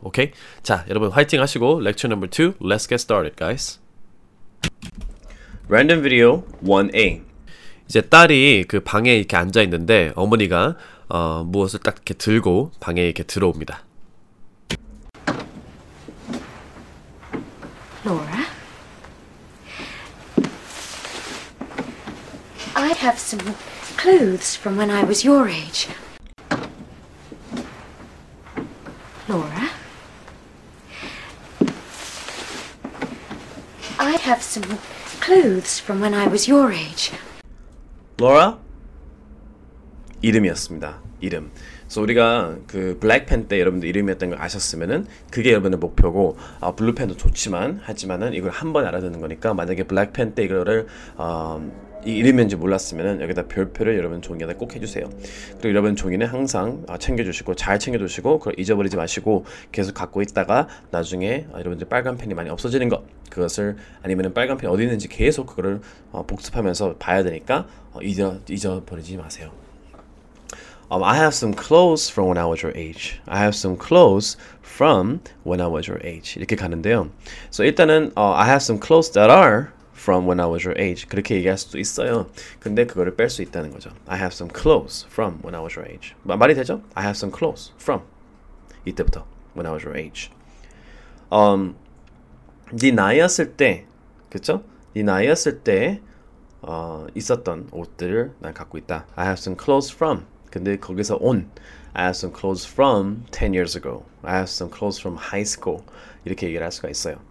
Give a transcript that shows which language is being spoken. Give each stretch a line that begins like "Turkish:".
Korean: 오케이? 자, 여러분 화이팅 하시고
English: lecture number 2 let's get started guys. Random video 1A.
Korean: 이제 딸이 그 방에 이렇게 앉아 있는데 어머니가 무엇을 딱 이렇게 들고 방에 이렇게 들어옵니다.
English: Laura, I have some clothes from when I was your age. Laura, I have some clothes from when I was your age.
Korean: Laura, 이름이었습니다. 이름. So 우리가 그 블랙펜 때 여러분들 이름이었던 걸 아셨으면은 그게 여러분의 목표고 블루펜도 좋지만 하지만은 이걸 한 번 알아듣는 거니까 만약에 블랙펜 때 이거를 이 이름인지 몰랐으면은 여기다 별표를 여러분 종이에다 꼭 해주세요. 그리고 여러분 종이는 항상 챙겨주시고 잘 챙겨두시고 그걸 잊어버리지 마시고 계속 갖고 있다가 나중에 여러분들 빨간 펜이 많이 없어지는 것 그것을 아니면은 빨간 펜이 어디 있는지 계속 그거를 복습하면서 봐야 되니까 잊어버리지 마세요.
English: I have some clothes from when I was your age. I have some clothes from when I was your age.
Korean: 이렇게 가는데요.
English: So
Korean: 일단은
English: I have some clothes that are from when I was your age.
Korean: 그렇게 얘기할 수도 있어요. 근데 그거를 뺄 수 있다는 거죠.
English: I have some clothes from when I was your age.
Korean: 말이 되죠?
English: I have some clothes from
Korean: 이때부터
English: when I was your age.
Korean: 네 나이였을 때, 그쵸? 네 나이였을 때 있었던 옷들을 난 갖고 있다.
English: I have some clothes from.
Korean: 근데 거기서 온.
English: I have some clothes from 10 years ago. I have some clothes from high school.
Korean: 이렇게 얘기를 할 수가 있어요.